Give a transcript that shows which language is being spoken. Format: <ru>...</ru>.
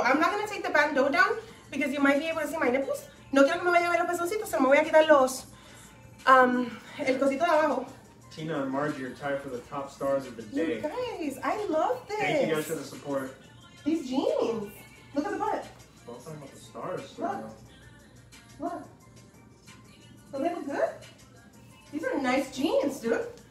<en>I'm not gonna take the bandeau down because you might be able to see my nipples.</en> <es>No quiero que me vaya a ver los pezoncitos, so me voy a quitar los el cosito de abajo.</es> <en>Tina and Margie are tied for the top stars of the day. You guys, I love this. Thank you guys for the support. These jeans. Look at the butt. I'm not talking about the stars. Look. Don't they look good? These are nice jeans, dude.</en>